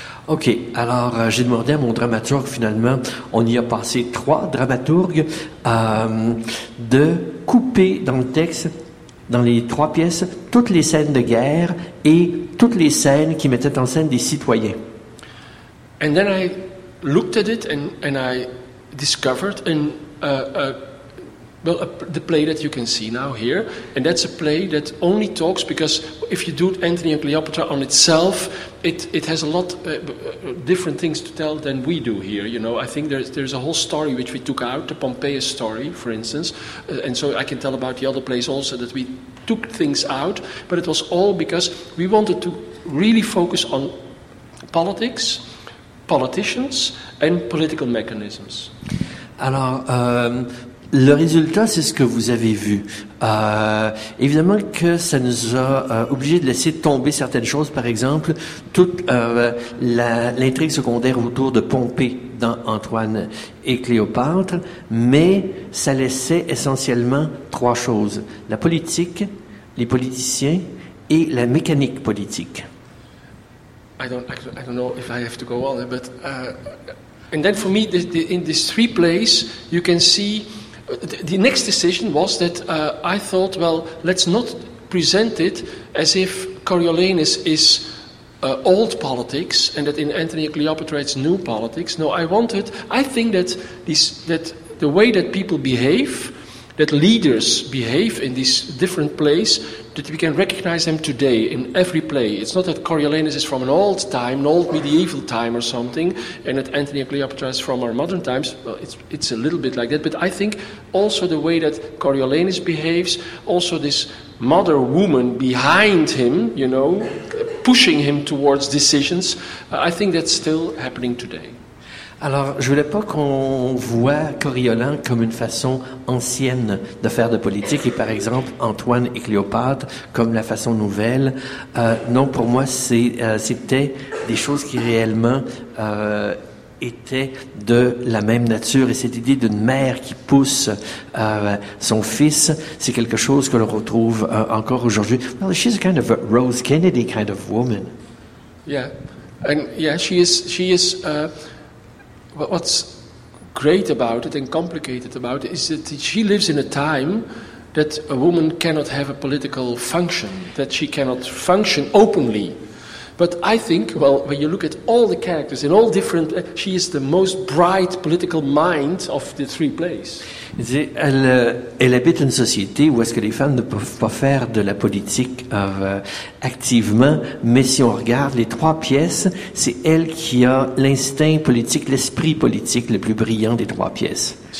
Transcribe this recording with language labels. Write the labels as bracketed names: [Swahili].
[French] OK. Alors, j'ai demandé à mon dramaturge, finalement, on y a passé trois dramaturgues, de couper dans le texte, dans les trois pièces, toutes les scènes de guerre et toutes les scènes qui mettaient en scène des citoyens. [English] And then I looked at it and I discovered the play that you can see now here, and that's a play that only talks, because if you do Antony and Cleopatra on itself, it has a lot different things to tell than we do here. You know, I think there's a whole story which we took out, the Pompeius story, for instance, and so I can tell about the other plays also that we took things out, but it was all because we wanted to really focus on politics, politicians, and political mechanisms. [French] Alors, le résultat, c'est ce que vous avez vu. Évidemment que ça nous a obligés de laisser tomber certaines choses, par exemple, toute l'intrigue secondaire autour de Pompée dans Antoine et Cléopâtre, mais ça laissait essentiellement trois choses. La politique, les politiciens et la mécanique politique. [English] I don't know if I have to go on, but... and then for me, in these three plays, you can see... The next decision was that I thought, well, let's not present it as if Coriolanus is old politics and that in Antony and Cleopatra it's new politics. No, I think that the way that people behave, that leaders behave in these different plays, that we can recognize them today in every play. It's not that Coriolanus is from an old time, an old medieval time or something, and that Antony and Cleopatra is from our modern times. Well, it's a little bit like that, but I think also the way that Coriolanus behaves, also this mother woman behind him, you know, pushing him towards decisions, I think that's still happening today. [French] Alors, je voulais pas qu'on voit Coriolan comme une façon ancienne de faire de politique, et par exemple Antoine et Cléopâtre comme la façon nouvelle. Non, pour moi, c'était des choses qui réellement étaient de la même nature. Et cette idée d'une mère qui pousse son fils, c'est quelque chose que l'on retrouve encore aujourd'hui. [English] Well, she's a kind of a Rose Kennedy kind of woman. Yeah, and yeah, she is. What's great about it and complicated about it is that she lives in a time that a woman cannot have a political function, that she cannot function openly. But I think, well, when you look at all the characters in all different, she is the most bright political mind of the three plays. [French] Elle habite une société où est-ce que les femmes ne peuvent pas faire de la politique activement, mais si on regarde les trois pièces, c'est elle qui a l'instinct politique, l'esprit politique le plus brillant des trois pièces.